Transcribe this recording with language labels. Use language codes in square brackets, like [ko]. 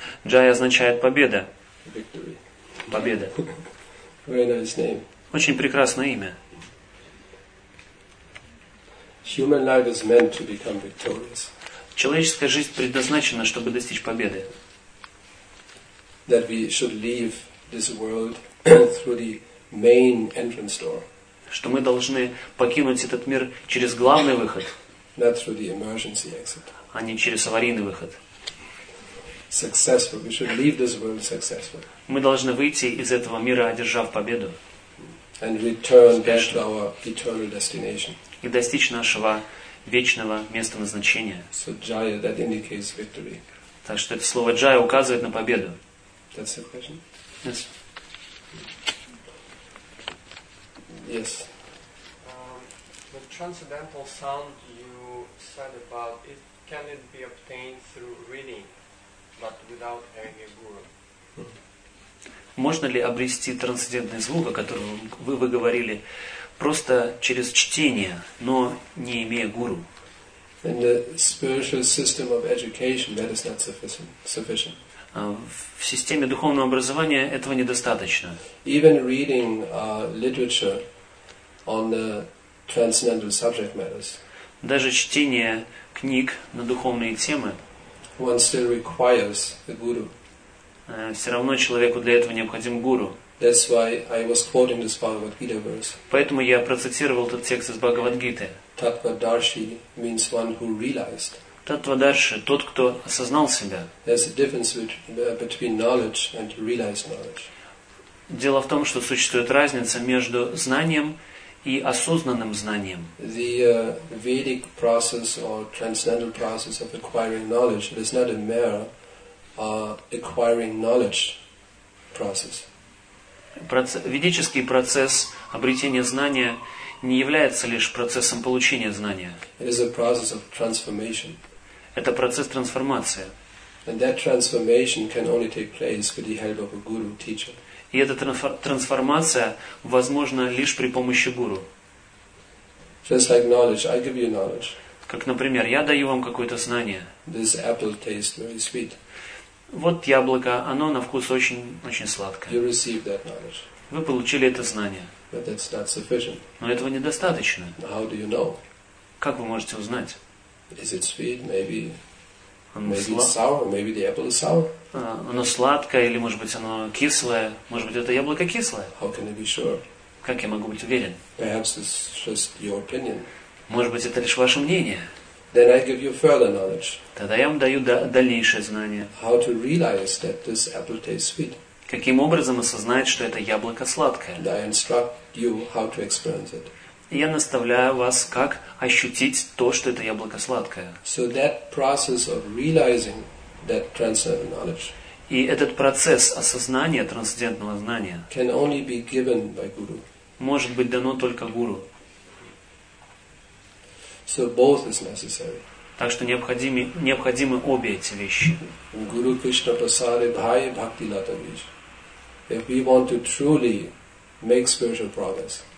[ru] Jaya означает победа. [en] Victory. [ru] Победа. [en] Very nice name. [ru] Очень прекрасное имя. [en] Human life is meant to become victorious. [ru] Человеческая жизнь предназначена, чтобы достичь победы. [en] That we should leave this world through the main entrance door. [ru] Что мы должны покинуть этот мир через главный выход, [en] not through the emergency exit. [ru] А не через аварийный выход. [en] Successful. We should leave this world successful. [ru] Мы должны выйти из этого мира, одержав победу. [en] And return back to our eternal destination. [ru] И достичь нашего вечного места назначения. [en] So Jaya, that indicates victory. [ru] Так что это слово Джая указывает на победу. [en] That's the question? Yes. Yes. The transcendental sound you said about, it can it be obtained through reading, but without any guru? [ru] Можно ли обрести трансцендентный звук, о котором вы говорили, просто через чтение, но не имея гуру? [en] In the spiritual system of education, that is not sufficient. [ru] в системе духовного образования этого недостаточно. [en] Even reading literature on the transcendental subject matters. [ru] Даже чтение книг на духовные темы. [en] One still requires a guru. [ru] Все равно человеку для этого необходим гуру. [en] That's why I was quoting this Bhagavad Gita verse. [ru] Поэтому я процитировал этот текст из Бхагавад Гиты. [en] Tattva darshi means one who realized. [ru] Tattva darshi – тот, кто осознал себя. [en] There's a difference between knowledge and realized knowledge. [ru] Дело в том, что существует разница между знанием и осознанным знанием. [en] The Vedic process or transcendental process of acquiring knowledge is not a mere acquiring knowledge process. [ru] Ведический процесс обретения знания не является лишь процессом получения знания. [en] It is a process of transformation. [ru] Это процесс трансформации. [en] And that transformation can only take place with the help of a guru teacher. [ru] И эта трансформация возможна лишь при помощи гуру. [en] Just like knowledge, I give you knowledge. [ru] Как, например, я даю вам какое-то знание. [en] This apple tastes very sweet. [ru] Вот яблоко, оно на вкус очень-очень сладкое. [en] You receive that knowledge. [ru] Вы получили это знание. [en] But that's not sufficient. [ru] Но этого недостаточно. [en] How do you know? [ru] Как вы можете узнать? [en] Is it sweet? Maybe sour? Maybe the apple is sour? [ru] Оно сладкое или, может быть, оно кислое? Может быть, это яблоко кислое? [en] How can I be sure? [ru] Как я могу быть уверен? [en] Perhaps it's just your opinion. [ru] Может быть, это лишь ваше мнение? [en] Then I give you further knowledge. [ru] Тогда я вам даю дальнейшее знание. [en] How to realize that this apple tastes sweet? [ru] Каким образом осознать, что это яблоко сладкое? [en] And I instruct you how to experience it. [ru] Я наставляю вас, как ощутить то, что это яблоко сладкое. [en] So that process of realizing that transcendental knowledge. [ru] И этот процесс осознания трансцендентного знания [en] can only be given by guru. [ru] Может быть дано только гуру. [en] So both is necessary. [ru] Так что необходимы обе эти вещи. [en] Guru Krishna Prasad Bhai Bhakti Lata Vish. If we want to truly make spiritual progress,